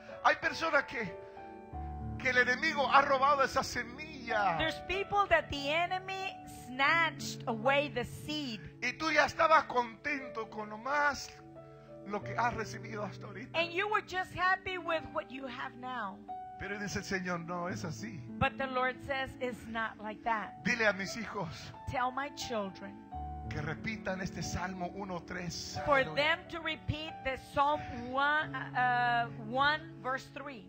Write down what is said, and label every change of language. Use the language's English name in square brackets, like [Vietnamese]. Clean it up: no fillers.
[Spanish] Hay personas que el enemigo ha robado esa semilla. [English] There's people that the enemy snatched away the seed. [Spanish] Y tú ya estabas contento con lo más lo que has recibido hasta ahorita. [English] And you were just happy with what you have now. [Spanish] Pero dice el Señor, no, es así. [English] But the Lord says, it's not like that. [Spanish] Dile a mis hijos. [English] Tell my children. [Spanish] Que repitan este Salmo 1:3. [English] For them to repeat the Psalm 1:3.